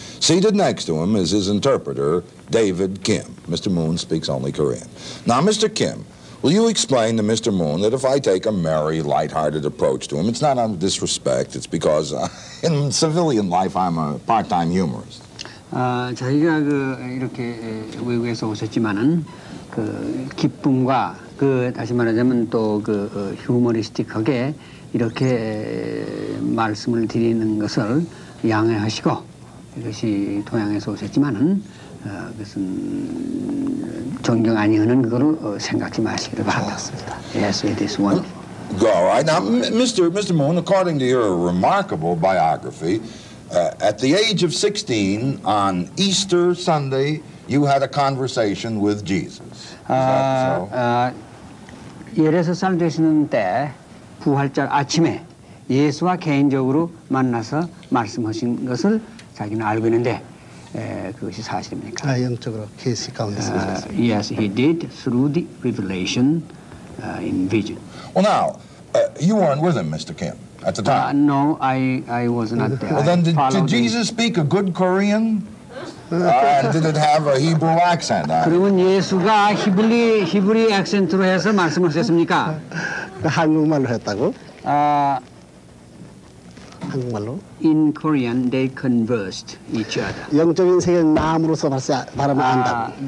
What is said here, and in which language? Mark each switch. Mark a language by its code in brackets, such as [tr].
[en] Seated next to him is his interpreter, David Kim. Mr. Moon speaks only Korean. Now, Mr. Kim, will you explain to Mr. Moon that if I take a merry, lighthearted approach to him, it's not out of disrespect, it's because in civilian life I'm a part-time humorist. [ko] 자기가 그 이렇게 외국에서 오셨지만은 그 기쁨과 그 다시 말하자면 또 그 휴머니스틱하게 이렇게 말씀을 드리는 것을 양해하시고 이것이 동양에서 오셨지만은 그것은 존경 아니하는 그거로 생각지 마시기를 바랍니다. [en] Yes, it is one. All right. Now, Mr. Moon, according to your remarkable biography, at the age of 16 on Easter Sunday, you had a conversation with Jesus. So? [ko] 13살 되시는 때 부활절 아침에 예수와 개인적으로 만나서 말씀하신 것을 자기는 알고 있는데 그것이 사실입니까? 아, 영적으로 계시 가운데서 [en] Yes, he did through the revelation in vision. Well, now, you weren't with him, Mr. Kim, at the time. No, I was not there. Well, then did Jesus speak a good Korean? did it have a Hebrew accent? [ko] 그러면 예수가 히브리 액센트로 해서 말씀하셨습니까? 한국말로 했다고? 한국말로? [en] In Korean, they conversed each other. [ko] 영적인 세계는 마음으로서 말하면 안다고.